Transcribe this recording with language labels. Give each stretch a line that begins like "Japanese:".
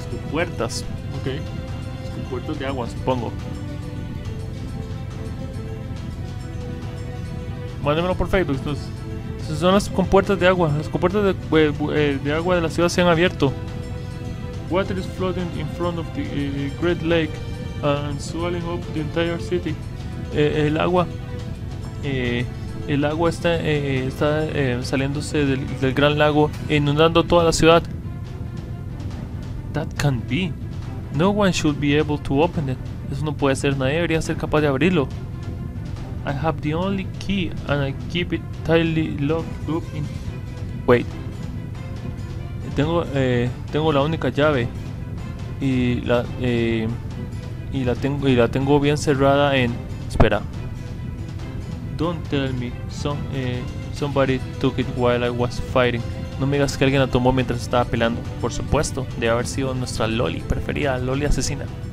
Spanish: Puertas, ok. Es con puertas de agua, supongo. Mándemelo por Facebook. Entonces, son las compuertas de agua. Las compuertas de agua de la ciudad se han abierto.
English: Water is flooding in front of the Great Lake and swelling up the entire city.
Spanish: El agua está saliéndose del gran lago, inundando toda la ciudad.
English: That can't be. No one should be able to open it.
Spanish: Eso no puede ser. Nadie debería ser capaz de abrirlo.
English: I have the only key and I keep it tightly locked up in. Wait.
Spanish: Tengo la única llave y la tengo bien cerrada en. Espera.
English: Don't tell me somebody took it while I was fighting.
Spanish: No me digas que alguien la tomó mientras estaba peleando. Por supuesto, debe haber sido nuestra Loli preferida, Loli asesina.